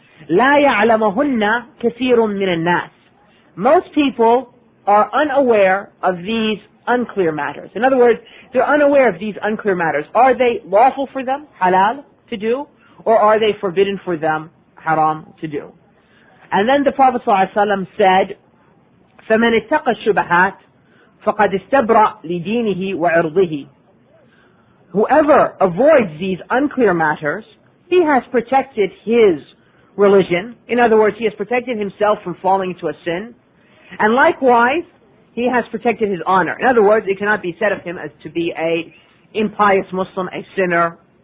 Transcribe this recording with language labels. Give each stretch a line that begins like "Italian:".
Arabic: لَا يَعْلَمَهُنَّ كَثِيرٌ مِنَ النَّاسِ.
English: Most people are unaware of these unclear matters. In other words, they're unaware of these unclear matters. Are they lawful for them, halal, to do? Or are they forbidden for them, haram, to do? And then the Prophet ﷺ said,
Arabic: فَمَنِ اتَّقَ الشُّبَهَاتِ فَقَدْ اسْتَبْرَأَ لِدِينِهِ وَعِرْضِهِ.
English: Whoever avoids these unclear matters, he has protected his religion. In other words, he has protected himself from falling into a sin. And likewise, he has protected his honor. In other words, it cannot be said of him as to be a impious Muslim, a sinner.